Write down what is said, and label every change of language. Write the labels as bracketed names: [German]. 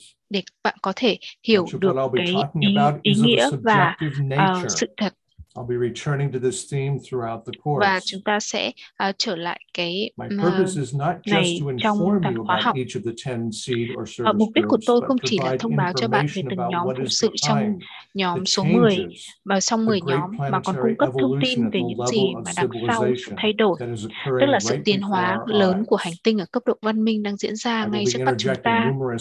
[Vietnamese] Để bạn có thể hiểu được cái ý nghĩa và sự thật [English] I'll be returning to this theme throughout the course. [Vietnamese] Và chúng ta sẽ trở lại cái [English] My purpose is not just to inform you about each of the 10 seed or service groups. [Vietnamese] Mục đích của tôi không chỉ là thông báo cho bạn về từng nhóm phục sự trong nhóm số 10 và sau 10 nhóm mà còn cung cấp thông tin về những gì mà đằng sau thay đổi, tức là sự tiến hóa lớn của hành tinh ở cấp độ văn minh đang diễn ra ngay trước mắt chúng ta.